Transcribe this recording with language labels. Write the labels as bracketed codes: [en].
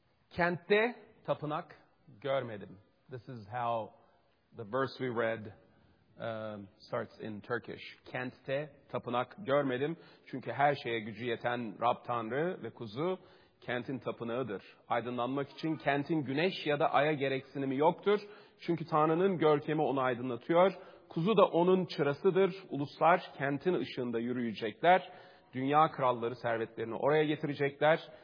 [tr] Kentte tapınak görmedim. [en] This is how the verse we read starts in Turkish. [tr] Kentte tapınak görmedim. Çünkü her şeye gücü yeten Rab Tanrı ve kuzu kentin tapınağıdır. Aydınlanmak için kentin güneş ya da aya gereksinimi yoktur. Çünkü Tanrı'nın görkemi onu aydınlatıyor. Kuzu da onun çırasıdır. Uluslar kentin ışığında yürüyecekler. Dünya kralları servetlerini oraya getirecekler.